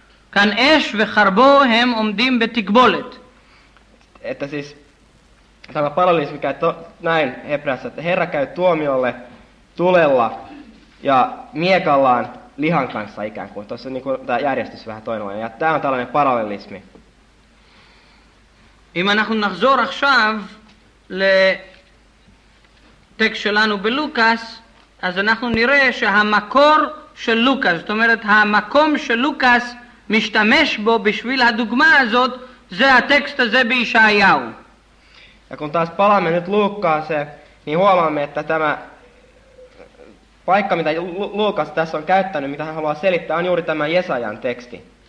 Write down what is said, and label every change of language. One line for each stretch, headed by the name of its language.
Hebrew: Kan esh ve harbo hem omdim be tikbolet.
Finnish: Että siis tämä parallelismi käy näin hebreassa, että Herra käy tuomiolle tulella ja miekallaan lihan kanssa ikään kuin. Tuossa niin kuin tämä järjestys vähän toinen. Ja tämä on tällainen parallelismi.
Hebrew: אם אנחנו נחזור עכשיו לטקסט שלנו בלוקס, אז אנחנו נראה שהמקור של לוקס, זאת אומרת, המקום של לוקס משתמש בו בשביל הדוגמה הזאת, זה הטקסט הזה בישעיהו.
Finnish: Ja kun taas palaamme nyt Luukkaaseen, niin huomaamme, että tämä paikka, mitä Luukas tässä on käyttänyt, mitä hän haluaa selittää, on juuri tämä Jesajan teksti.